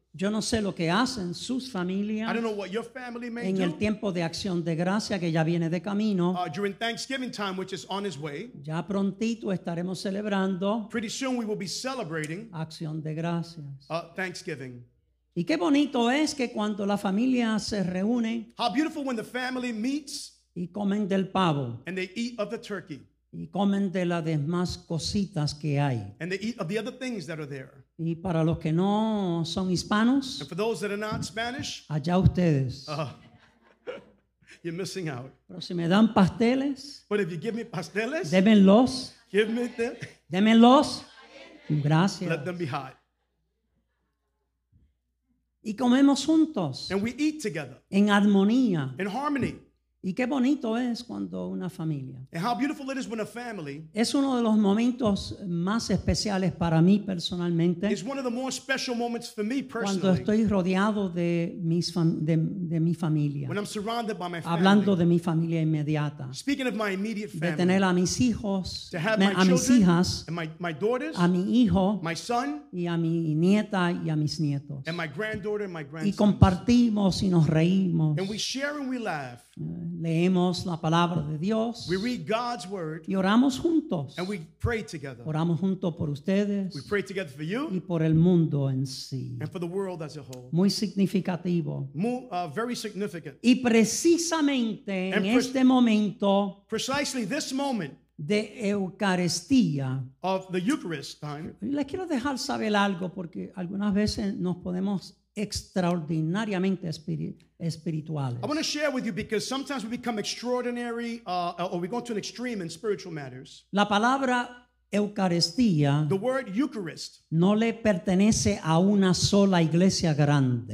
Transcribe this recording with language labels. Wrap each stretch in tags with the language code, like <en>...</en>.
<es>Yo no sé lo que hacen sus familias.</es> <en>I don't know what your family may</en> <es>en</es> <en>do.</en> <es>El tiempo de acción de gracia que ya viene de camino.</es> <en>During Thanksgiving time, which is on its way.</en> <es>Ya prontito estaremos celebrando.</es> <en>Pretty soon we will be celebrating.</en> <es>Acción de gracias.</es> <en>Thanksgiving.</en> <es>Y qué bonito es que cuando la familia se reúne.</es> <en>How beautiful when the family meets.</en> <es>Y comen del pavo.</es> <en>And they eat of the turkey.</en> <es>Y comen de las demás cositas que hay.</es> <en>And they eat of the other things that are there.</en> <es>Y para los que no son hispanos,</es> <en>and for those that are not Spanish,</en> <es>allá ustedes.</es> <en>You're missing out.</en> <es>Pero si me dan pasteles,</es> <en>but if you give me pasteles,</en> <es>démenlos.</es> <en>Give me them.</en> <es>Démenlos. Gracias.</es> <en>Let them be hot.</en> <es>Y comemos juntos.</es> <en>And we eat together.</en> <es>En armonía.</es> <en>In harmony.</en> <es>Y qué bonito es cuando una familia.</es> <en>And how beautiful it is when a family.</en> <es>Es uno de los momentos más especiales para mí personalmente.</es> <en>It's one of the more special moments for me personally.</en> <es>Cuando estoy rodeado de mi familia.</es> <en>When I'm surrounded by my family.</en> <es>Hablando de mi familia inmediata.</es> <en>Speaking of my immediate family.</en> <es>De tener a mis hijos.</es> <en>To have my</en> <es>a mis hijas.</es> <en>And my daughters.</en> <es>A mi hijo.</es> <en>My son.</en> <es>Y a mi nieta y a mis nietos.</es> <en>And my granddaughter and my grandson.</en> <es>Y compartimos y nos reímos.</es> <en>And we share and we laugh.</en> <es>Leemos la palabra de Dios.</es> <en>We read God's word.</en> <es>Y oramos juntos.</es> <en>And we pray together.</en> <es>Oramos juntos por ustedes.</es> <en>We pray together for you.</en> <es>Y por el mundo en sí.</es> <en>And for the world as a whole.</en> <es>Muy significativo.</es> <en>Very significant.</en> <es>Y precisamente en este momento.</es> <en>Precisely this moment.</en> <es>De Eucaristía.</es> <en>Of the Eucharist time.</en> <es>Les quiero dejar saber algo porque algunas veces nos podemos extraordinariamente espirituales.</es> <en>I want to share with you because sometimes we become extraordinary or we go to an extreme in spiritual matters.</en> <es>La palabra Eucaristía,</es> <en>the word Eucharist,</en> <es>no le pertenece a una sola iglesia grande.</es>